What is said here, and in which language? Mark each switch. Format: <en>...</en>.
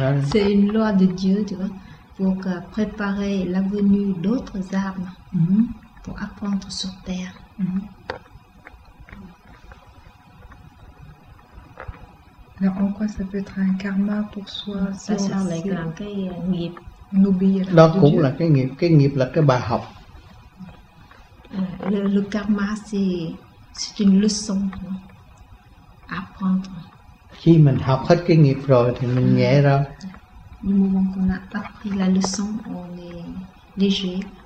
<fr>C'est une loi de Dieu, tu vois, pour préparer la venue d'autres âmes. Pour apprendre sur terre. Alors, en quoi ça peut être un karma pour soi? Ça, si c'est si un nghiệp.</fr> <vi>Đó cũng là cái nghiệp. Cái nghiệp là cái bài học.</vi> <fr>Le karma, c'est une leçon. Apprendre.</fr> <vi>Khi mình học hết cái nghiệp rồi thì mình nhẹ ra.</vi> <fr>Le moment qu'on a appris la leçon, on est léger.</fr>